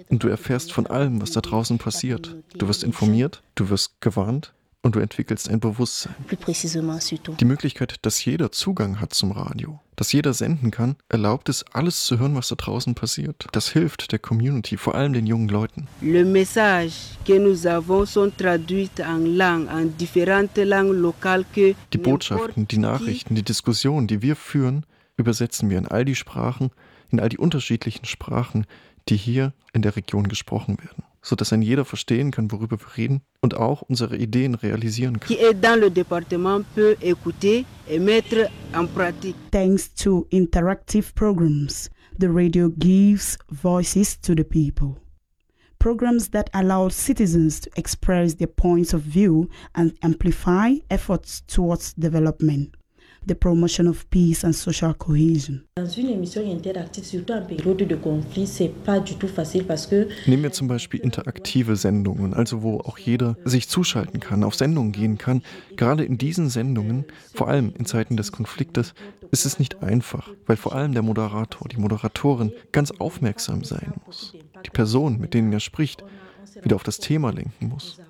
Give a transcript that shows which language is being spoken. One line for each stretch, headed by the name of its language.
German: Und du erfährst von allem, was da draußen passiert. Du wirst informiert, du wirst gewarnt und du entwickelst ein Bewusstsein. Die Möglichkeit, dass jeder Zugang hat zum Radio, dass jeder senden kann, erlaubt es, alles zu hören, was da draußen passiert. Das hilft der Community, vor allem den jungen Leuten.
French: Le message que nous avons sont traduites en langue, en différentes langues locales que
German: die Botschaften, die Nachrichten, die Diskussionen, die wir führen, übersetzen wir in all die Sprachen, in all die unterschiedlichen Sprachen, die hier in der Region gesprochen werden, sodass ein jeder verstehen kann, worüber wir reden und auch unsere Ideen realisieren kann.
French: Qui est dans le département peut écouter et mettre en pratique.
English: Thanks to interactive programs, the radio gives voices to the people. Programs that allow citizens to express their points of view and amplify efforts towards development, the promotion of peace and social cohesion.
French: Dans une émission interactive, surtout en période de conflit, c'est pas du tout facile parce que.
German: Nehmen wir zum Beispiel interaktive Sendungen, also wo auch jeder sich zuschalten kann, auf Sendungen gehen kann. Gerade in diesen Sendungen, vor allem in Zeiten des Konfliktes, ist es nicht einfach, weil vor allem der Moderator, die Moderatorin ganz aufmerksam sein muss. Die Person, mit denen er spricht, wieder auf das Thema lenken muss.